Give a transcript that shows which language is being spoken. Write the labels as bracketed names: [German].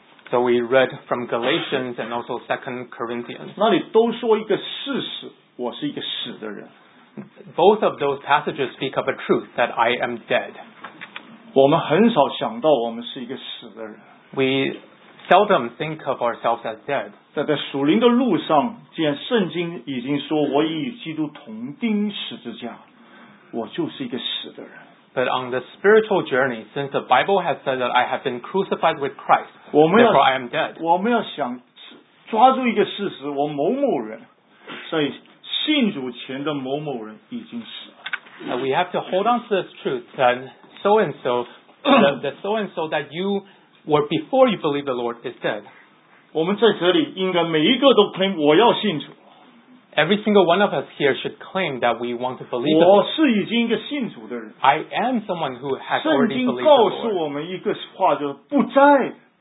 [English] So we read from Galatians and also 2 Corinthians. [Chinese] 那里都说一个事实，我是一个死的人。 [English] Both of those passages speak of a truth that I am dead. [Chinese] 我们很少想到我们是一个死的人。 [English] We seldom think of ourselves as dead. [Chinese] 但在属灵的路上，既然圣经已经说我已与基督同钉十字架，我就是一个死的人。 [English] But on the spiritual journey, since the Bible has said that I have been crucified with Christ, [Chinese] 我们要, [English] therefore I am dead. [Chinese] 我们要想抓住一个事实，我某某人在信主前的某某人已经死了。 [English] We have to hold on to this truth that so and so, the so and so that you were before you believe the Lord is dead. [Chinese] 我们在这里应该每一个都claim我要信主。 [English] Every single one of us here should claim that we want to believe the Lord. [Chinese] 我是已经一个信主的人。 [English] I am someone who has already believed the Lord. [Chinese] 圣经告诉我们一个话, 就是不再,